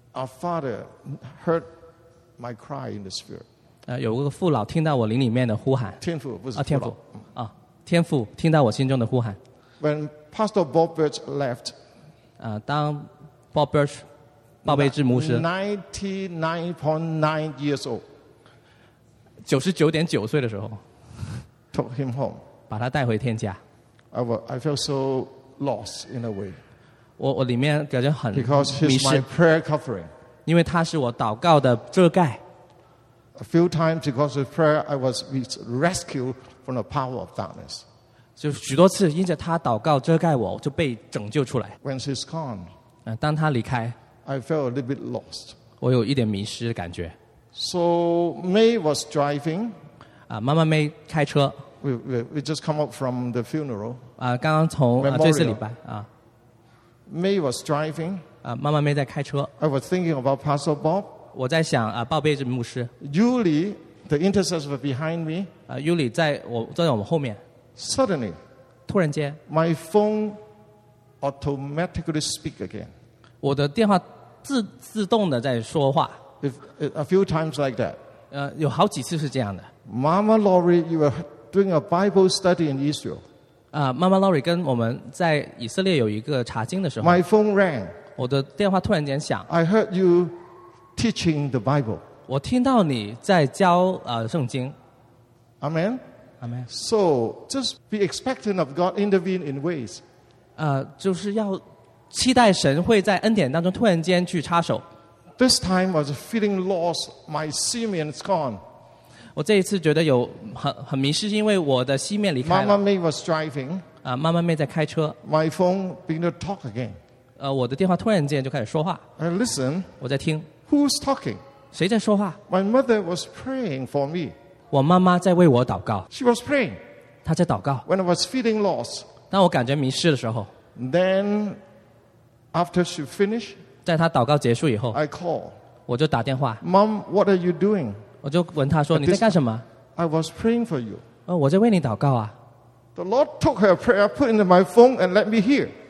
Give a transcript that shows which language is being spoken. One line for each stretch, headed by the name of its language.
English: Our father heard my cry in the spirit.
Chinese: 有个父老听到我灵里面的呼喊。天父不是父老。天父听到我心中的呼喊。
English: When Pastor Bob Birch left,
Chinese: 当 Bob Birch 鲍贝治牧师
English: 99.9 years old,
Chinese: 99.9岁的时候,
English: took him home,
Chinese: 把他带回天家。
English: I felt so lost in a way.
Chinese: 我里面感觉很
English: Because he's my prayer covering.
Chinese: 因为他是我祷告的遮盖。
English: A few times because of prayer, I was rescued from the power of darkness.
Chinese: 就许多次因着他祷告遮盖我，就被拯救出来。
English: When she's gone,
Chinese: 当他离开，
English: I felt a little bit lost.
Chinese: 我有一点迷失的感觉。
English: So May was driving.
Chinese: 妈妈 May 开车。
English: We just come up from the funeral.
Chinese: 刚刚从这次礼拜。
English: May was driving.
Chinese: 妈妈 May 在开车。
English: I was thinking about Pastor Bob.
Chinese: 我在想, 鲍贝治牧师。
English: Julie, the intercessor behind me.
Chinese: Julie 在我们后面。
English: Suddenly,
Chinese: 突然间,
English: my phone automatically speak again.
Chinese: 我的电话自动的在说话。
English: A few times like that.
Chinese: 有好几次是这样的。
English: Mama Laurie, you are doing a Bible study in Israel.
Chinese: Mama Laurie 跟我们在以色列有一个查经的时候。
English: My phone rang.
Chinese: 我的电话突然间响。
English: I heard you teaching the Bible.
Chinese: 我听到你在教,
English: Amen? Amen. So, just be expectant of God intervene in ways.
Chinese: 就是要期待神会在恩典当中突然间去插手。
English: This time I was feeling lost, my Simeon is gone.
Chinese: 我这一次觉得有很迷失，因为我的西面离开了。
English: Mama May was driving.
Chinese: 妈妈 May 在开车。
English: My phone began to talk again.
Chinese: 我的电话突然间就开始说话。
English: I listen.
Chinese: 我在听。
English: Who's talking?
Chinese: 谁在说话?
English: My mother was praying for me.
Chinese: 我妈妈在为我祷告。
English: She was praying.
Chinese: 她在祷告。
English: When I was feeling lost.
Chinese: 当我感觉迷失的时候。
English: Then, after she finished,
Chinese: 在她祷告结束以后,
English: I call.
Chinese: 我就打电话。
English: Mom, what are you doing?
Chinese: 我就问她说, 你在干什么?
English: I was praying for you.
Chinese: 我在为你祷告啊。
English: The Lord took her prayer, put into my phone, and let me hear.